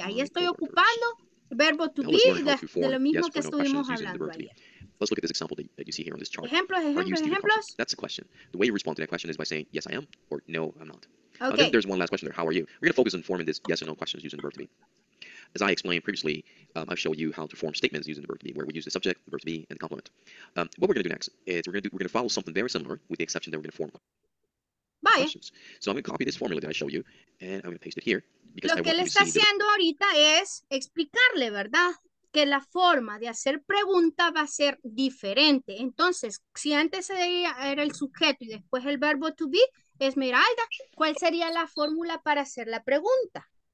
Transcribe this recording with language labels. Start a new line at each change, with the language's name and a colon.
Spanish: Ahí estoy ocupando el verbo to be de lo mismo que estuvimos hablando ayer.
English: Let's look at this example that you see here on this chart.
Spanish: Ejemplos, ejemplos, ejemplos.
English: That's a question. The way you respond to that question is by saying, yes, I am, or no, I'm not. Okay. Then there's one last question there. How are you? We're going to focus on forming this yes or no questions using the verb to be. As I explained previously, I've shown you how to form statements using the verb to be, where we use the subject, the verb to be, and the complement. What we're going to do next is we're going to follow something very similar, with the exception that we're going to form questions. So I'm going to copy this formula that I show you, and I'm going to paste it here.
Spanish: Lo que le está haciendo ahorita es explicarle, ¿verdad? Que la forma de hacer pregunta va a ser diferente. Entonces, si antes era el sujeto y después el verbo to be, Esmeralda, ¿cuál sería la fórmula para hacer la pregunta?